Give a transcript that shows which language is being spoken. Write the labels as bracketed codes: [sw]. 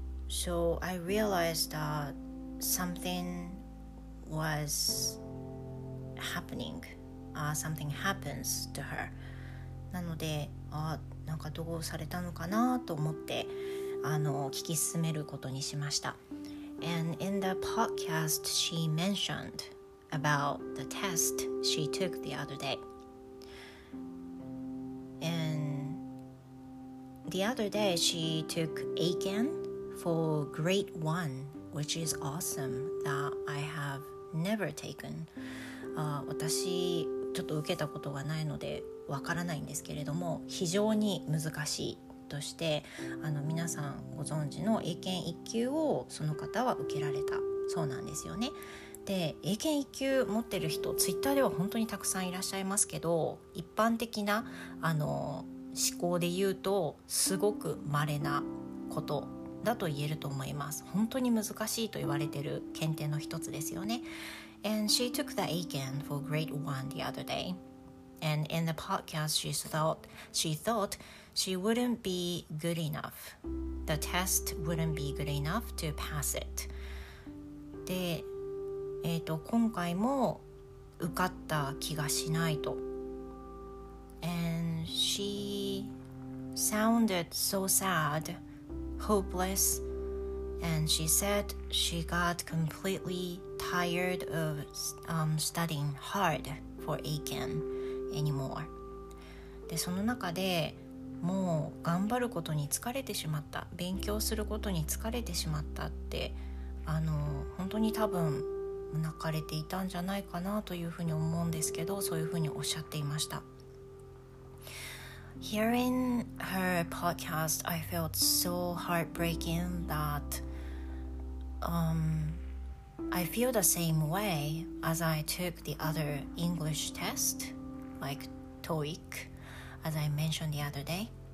[en] So I realized that something was happening、something happens to her。 [ja] なので、あ、なんかどうされたのかなと思って、あの聞き進めることにしました。 [en] And in the podcast she mentioned about the test she took the other day。 [ja] The other day, she took Aiken for grade one, which is awesome that I have never taken.、私、ちょっと受けたことがないのでわからないんですけれども、非常に難しいとして、あの皆さんご存知の Aiken 1級をその方は受けられたそうなんですよね。で、Aiken 1級持ってる人、Twitter では本当にたくさんいらっしゃいますけど、一般的な、あの思考で言うとすごく稀なことだと言えると思います。本当に難しいと言われている検定の一つですよね。 [en] And she took the Aiken for grade one the other day. And in the podcast she thought she wouldn't be good enough. The test wouldn't be good enough to pass it. [ja] で、今回も受かった気がしないと。 [en] And she sounded so sad, hopeless, and she said she got completely tired of studying hard for Aiken anymore. [ja] で、その中でもう頑張ることに疲れてしまった、勉強することに疲れてしまったって、あの本当に多分泣かれていたんじゃないかなというふうに思うんですけど、そういうふうにおっしゃっていました。 [en] Hearing her podcast, I felt so heartbreaking that I feel the same way as I took the other English test, like TOEIC, as I mentioned the other day.